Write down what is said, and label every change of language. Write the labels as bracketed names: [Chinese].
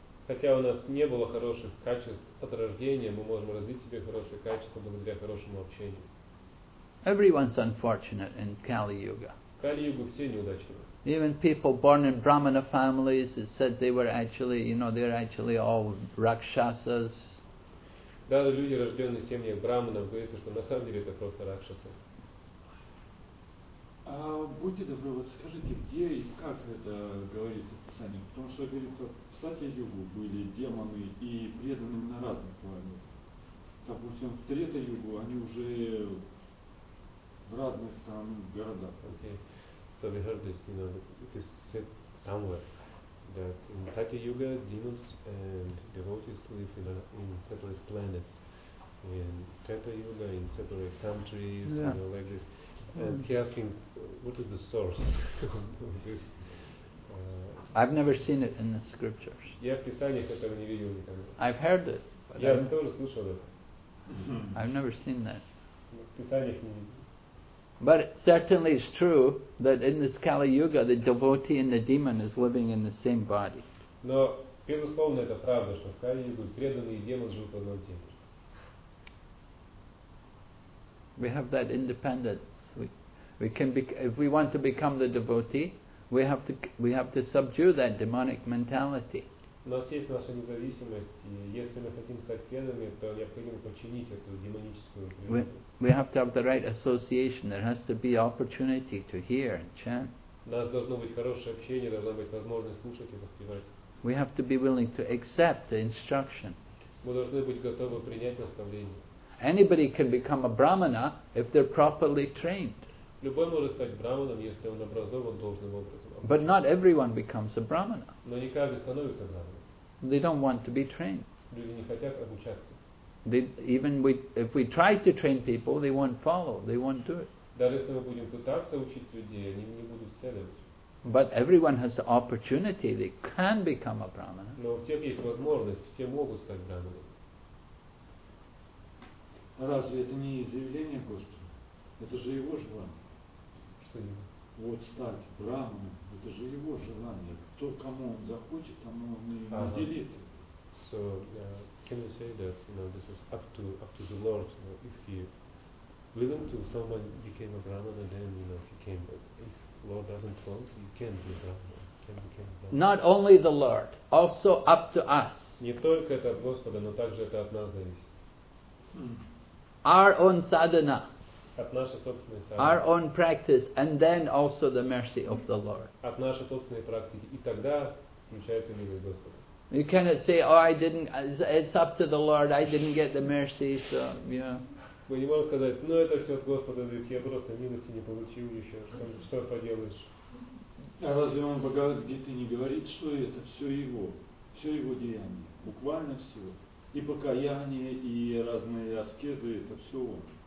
[Russian] Хотя у нас не было хороших качеств от рождения, мы можем развить себе хорошие качества благодаря хорошему общению. [English] Everyone's unfortunate in Kali Yuga. [Russian] Kali Yuga все неудачливы. [English] Even people born in Brahmana families, it said they were actually, they're actually all rakshasas. [Russian] Даже люди, рожденные в семьях браманов, говорится, что на самом деле это просто ракшасы. А будьте добры, вот скажите, где и как это говорится в Писании? Потому что, говорится, в Сатья-югу были демоны и преданные на разных планетах. Допустим, в Трета-югу они уже в разных там городах. [English] Okay. So we heard this, it is said somewhere that in Satya-yuga demons and devotees live in separate planets. In Treta-yuga, in separate countries, yeah. Like this. And he's asking, what is the source of this? I've never seen it in the scriptures. [Russian] Я в писаниях этого не видел никогда. [English] I've heard it. [Russian] Я тоже слышал это. [English] I've never seen that. [Russian] В писаниях не видел. [English] But certainly it's true that in this Kali Yuga the devotee and the demon is living in the same body. [Russian] Но безусловно это правда, что в Кали Юге преданный и демон живут в одном теле. [English] We have that independence. We can be, if we want to become the devotee, we have to subdue that demonic mentality. [Russian] У нас есть наша независимость, и если мы хотим стать преданными, то необходимо подчинить эту демоническую природу. [English] We have to have the right association. There has to be opportunity to hear and chant. [Russian] У нас должно быть хорошее общение, должна быть возможность слушать и воспевать. [English] We have to be willing to accept the instruction. [Russian] Мы должны быть готовы принять наставление. [English] Anybody can become a brahmana if they're properly trained. [Russian] Любой может стать брахманом, если он образован должным образом. [English] But not everyone becomes a brahmana. [Russian] Но не каждый становится брахманом. [English] They don't want to be trained. [Russian] Люди не хотят обучаться. [English] If we try to train people, they won't follow. They won't do it. [Russian] Даже если мы будем пытаться учить людей, они не будут следовать. [English] But everyone has the opportunity. They can become a brahmana. [Russian] Но у всех есть возможность. Все могут стать брахманами. Разве это не изъявление Господа? Это же его желание. Что именно? Вот стать брахманом, это же его желание. Кто кому он захочет, тому он и наделит. [English] So, can we say that this is up to the Lord? If he willing to someone became a brahmana, then he came. But if Lord doesn't want, he can't be a brahmana. Not only the Lord, also up to us. [Russian] Не только это от Господа, но также это от нас зависит. [English] Our own sadhana. [Russian] От нашей собственной сады. [English] Our own practice, and then also the mercy of the Lord. [Russian] От нашей собственной практики, и тогда включается милость Господа. [English] You cannot say, "Oh, I didn't." It's up to the Lord. I didn't get the mercy, so yeah. [Russian] Мы не можем сказать, "Ну, это все от Господа, ведь я просто милости не получил еще. Что поделаешь?" А разве он Бхагавад-гита не говорит, что это все его деяния, буквально все, и покаяние, и разные аскезы, это все он.